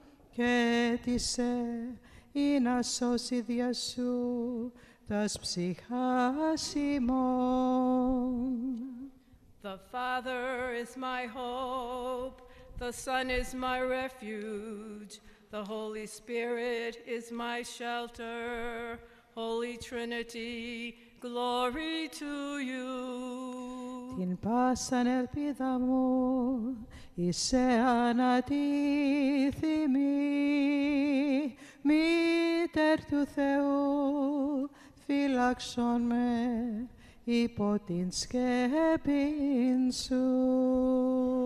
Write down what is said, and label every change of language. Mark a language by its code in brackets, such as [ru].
[el] και αίτησε ή να σώσει δια σου τας ψυχάς ημών. [en] The Father is my hope, the Son is my refuge, the Holy Spirit is my shelter, Holy Trinity, glory to you. [el] Την πάσαν ελπίδα μου, είσαι ανατίθιμη, Μήτερ του Θεού, φύλαξον με υπό την σκέπη σου.